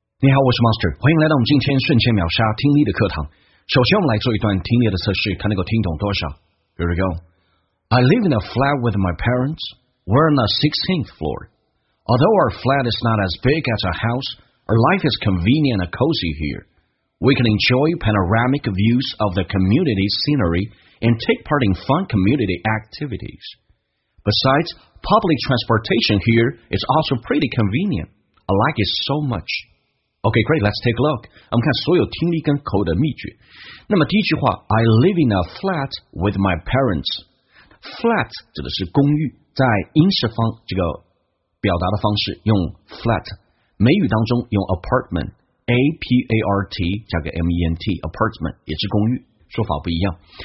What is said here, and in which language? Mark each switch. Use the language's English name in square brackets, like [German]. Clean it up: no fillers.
[Chinese] 你好，我是 Monster， 欢迎来到我们今天瞬间秒杀听力的课堂。首先我们来做一段听力的测试，看能够听懂多少。 [English] Here we go. I live in a flat with my parents. We're on the 16th floor. Although our flat is not as big as a house, our life is convenient and cozy here. We can enjoy panoramic views of the community scenery and take part in fun community activities. Besides, public transportation here is also pretty convenient. I like it so much. Okay, great, let's take a look. [Chinese] 我们看所有听力跟口的秘诀。那么第一句话 [English] I live in a flat with my parents. [Chinese] Flat 指的是公寓，在英式方这个表达的方式用 flat， 美语当中用 apartment， A-P-A-R-T 加个 M-E-N-T， apartment 也是公寓，说法不一样。